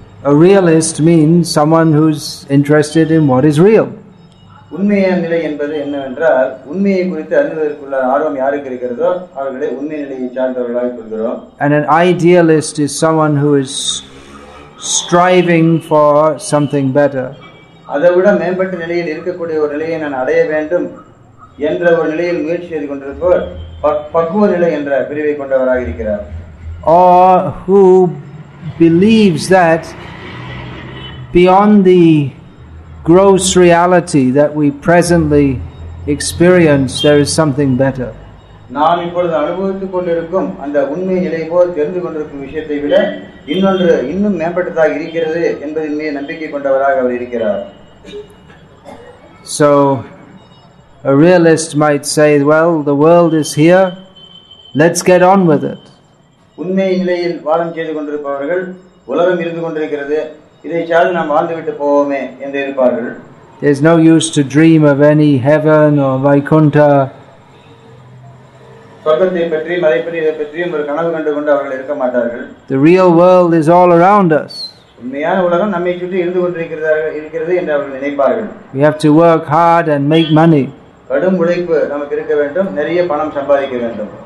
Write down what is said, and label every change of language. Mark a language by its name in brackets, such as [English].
[English] A realist means someone who's interested in what is real. [Tamil] உண்மையான நிலை என்பது என்னவென்றால் உண்மையை குறித்து அறிவதற்குள்ள ஆர்வம் யாருக்கு இருக்கிறதோ அவர்களை உண்மை நிலையை சார்ந்தவர்களாக கொள்கிறோம். [English] And an idealist is someone who is striving for something better. [Tamil] அதைவிட மேம்பட்ட நிலையில் இருக்கக்கூடிய ஒரு நிலையை நான் அடைய வேண்டும் என்ற ஒரு நிலையில் முயற்சி செய்து கொண்டிருப்பவர் பக்குவ நிலை என்ற பிரிவை கொண்டவராக இருக்கிறார். [English] Or who believes that beyond the gross reality that we presently experience there is something better. [Tamil] நாம் இப்பொழுது அனுபவித்துக் கொண்டிருக்கும் அந்த உண்மை நிலை போல் தெரிந்து கொண்டிருக்கும் விஷயத்தை விட இன்னொன்று இன்னும் மேம்பட்டதாக இருக்கிறது என்பதின் மீது நம்பிக்கை கொண்டவராக அவர் இருக்கிறார். [English] So a realist might say, well, the world is here, let's get on with it. [Tamil] உண்மை நிலையில் வாழம் செய்து கொண்டிருப்பவர்கள் உலகம் இருந்து கொண்டிருக்கிறது, இதை சார்ந்து நாம் வாழ்ந்துவிட்டு போவோமே என்று இருப்பார்கள். [English] There's no use to dream of any heaven or Vaikuntha. [Tamil] சொர்க்கத்தை பற்றி மறைப்பதை இதை பற்றியும் ஒரு கனவு கண்டு கொண்டு அவர்கள் இருக்க மாட்டார்கள். [English] The real world is all around us. [Tamil] உண்மையான உலகம் நம்மை சுற்றி இருந்து கொண்டிருக்கிறது என்று அவர்கள் நினைப்பார்கள். [English] We have to work hard and make money. [Tamil] கடும் உழைப்பு நமக்கு இருக்க வேண்டும், நிறைய பணம் சம்பாதிக்க வேண்டும்.